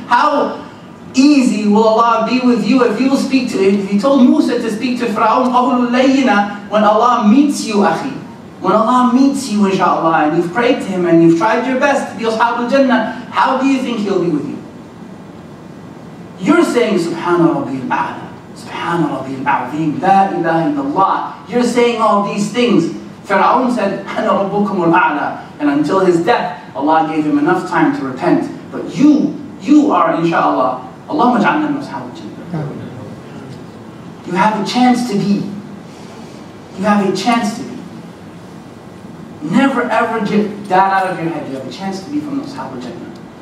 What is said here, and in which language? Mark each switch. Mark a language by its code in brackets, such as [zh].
[en] How easy will Allah be with you if you speak to Him? He told Musa to speak to Fir'aun, قَوْلُ لَيِّنًا, when Allah meets you, أخي. When Allah meets you, inshaAllah, and you've prayed to Him and you've tried your best to be أصحاب الجنة, how do you think He'll be with you? [ar] You're saying, سُبْحَانَ رَبِّي الْأَعْلَى, سُبْحَانَ رَبِّي الْأَعْظِيمِ, لَا إِلَهَ إِلَّا اللَّهِ. [en] You're saying all these things. [ar] Fir'aun said, أَنَا رَبُّكُمُ الْأَعْلَى. [en] And until his death, Allah gave him enough time to repent. But you are, inshaAllah, Allahumma ja'alna min ashab al-jannah. You have a chance to be. You have a chance to be. Never ever get that out of your head. You have a chance to be from ashab al-jannah.